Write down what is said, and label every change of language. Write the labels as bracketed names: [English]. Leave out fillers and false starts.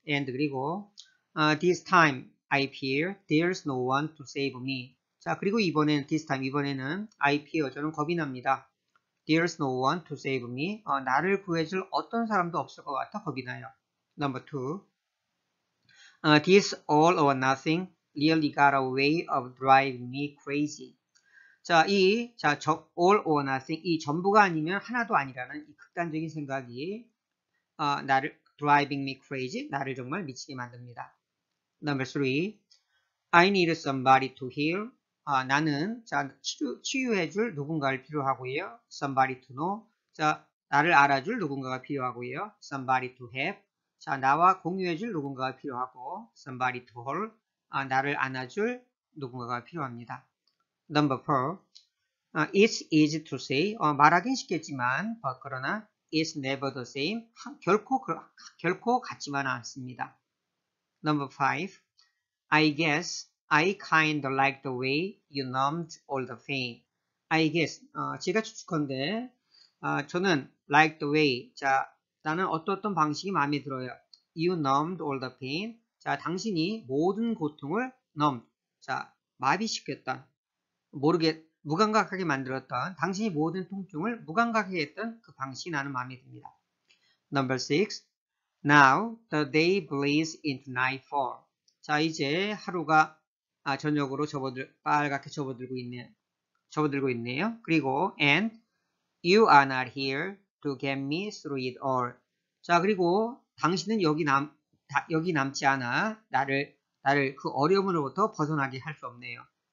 [English] And [Korean] 그리고 [English] this time I fear there's no one to save me. [Korean] 자, 그리고 이번에는 [English] this time [Korean] 이번에는 [English] I fear [Korean] 저는 겁이 납니다. [English] There's no one to save me. [Korean] 나를 구해줄 어떤 사람도 없을 것 같아 겁이 나요. [English] Number two. This all or nothing really got a way of driving me crazy. [Korean] 자, 이, 자, 저, [English] all or nothing, [Korean] 이 전부가 아니면 하나도 아니라는 이 극단적인 생각이, 나를, [English] driving me crazy, [Korean] 나를 정말 미치게 만듭니다. [English] Number three, I need somebody to heal. [Korean] 나는, 자, 치유해줄 누군가를 필요하고요. [English] Somebody to know. [Korean] 자, 나를 알아줄 누군가가 필요하고요. [English] Somebody to have. [Korean] 자, 나와 공유해줄 누군가가 필요하고. [English] Somebody to hold. [Korean] 나를 안아줄 누군가가 필요합니다. [English] Number four, it's easy to say. [Korean] 말하긴 쉽겠지만, 그러나 [English] it's never the same. [Korean] 결코 같지만 않습니다. [English] Number five, I guess I kinda like the way you numbed all the pain. I guess [Korean] 제가 추측컨대 저는 [English] like the way. [Korean] 자, 나는 어떤 방식이 마음에 들어요. [English] You numbed all the pain. [Korean] 자, 당신이 모든 고통을 numb. 자, 마비시켰다. 모르게 무감각하게 만들었던 당신이 모든 통증을 무감각하게 했던 그 방식이 나는 마음에 듭니다. [English] Number six. Now the day bleeds into nightfall. [Korean] 자, 이제 하루가 저녁으로 빨갛게 접어들고 있네요. 그리고 [English] and you are not here to get me through it all. [Korean] 자, 그리고 당신은 여기 남지 않아 나를 그 어려움으로부터 벗어나게 할수 없네요.